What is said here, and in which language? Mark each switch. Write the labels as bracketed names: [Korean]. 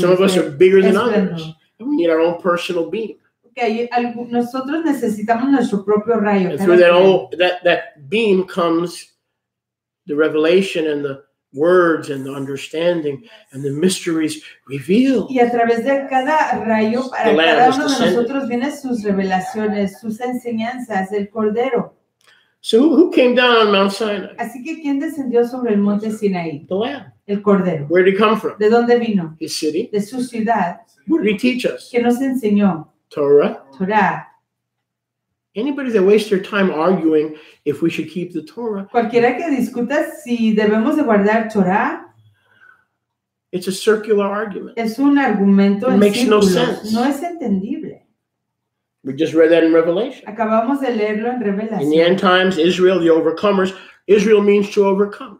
[English] Some of us are bigger than others. We need our own personal beam. [Spanish] que hay algo, nosotros necesitamos nuestro propio rayo. [English] And through that, all, that, that beam comes the revelation and the words and the understanding and the mysteries revealed. [Spanish] Y a través de cada rayo, para cada uno de nosotros vienen sus revelaciones, sus enseñanzas, el cordero. [English] So who came down on Mount Sinai? [Spanish] Así que ¿quién descendió sobre el monte Sinaí? [English] The Lamb. [Spanish] El cordero. [English] Where did he come from? [Spanish] ¿De dónde vino? [English] His city. [Spanish] De su ciudad. [English] What did he teach us? [Spanish] ¿Qué nos enseñó? [English] Torah. [Spanish] Torah. [English] Anybody that wastes their time arguing if we should keep the Torah. [Spanish] Cualquiera que discuta si debemos de guardar Torah. [English] It's a circular argument. [Spanish] Es un argumento en círculos. [English] It makes no sense. [Spanish] No es entendible. [English] We just read that in Revelation. [Spanish] Acabamos de leerlo en Revelación. [English] In the end times, Israel, the overcomers. Israel means to overcome.